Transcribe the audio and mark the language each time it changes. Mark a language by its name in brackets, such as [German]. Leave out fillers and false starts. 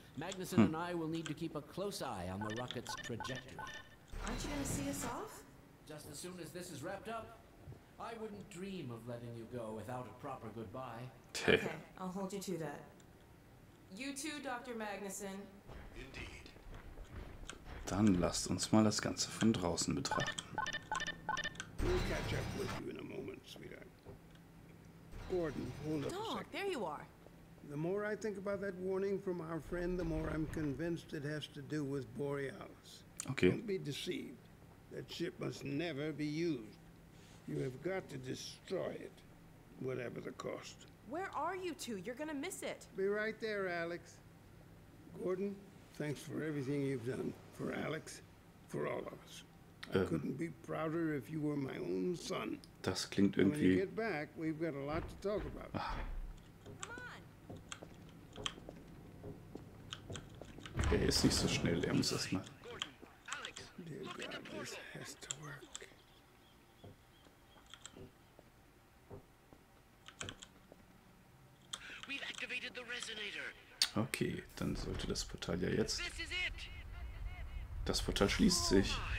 [English] Magnusson and I will need to keep a close eye on the rocket's trajectory. Aren't you going to see us off? Just as soon as this is wrapped up. I wouldn't dream of letting you go without a proper goodbye. Okay, I'll hold you to that. You too, Dr. Magnusson. Indeed. [German] Dann lasst uns mal das Ganze von draußen betrachten. [English] We'll catch up with you in a moment, sweetheart. Gordon, hold up Doc, a second. There you are. The more I think about that warning from our friend, the more I'm convinced it has to do with Borealis. Okay. Don't be deceived. That ship must never be used. You have got to destroy it, whatever the cost. Where are you two? You're gonna miss it. Be right there, Alex. Gordon, thanks for everything you've done. For Alex, for all of us. I couldn't be prouder if you were my own son. [German] Das klingt irgendwie. [English] When you get back, we've got a lot to talk about. [German] Er ist nicht so schnell, er muss erst mal. [English] Dear God, this has to work. We've activated the resonator. [German] Okay, dann sollte das Portal ja jetzt. Das Portal schließt sich.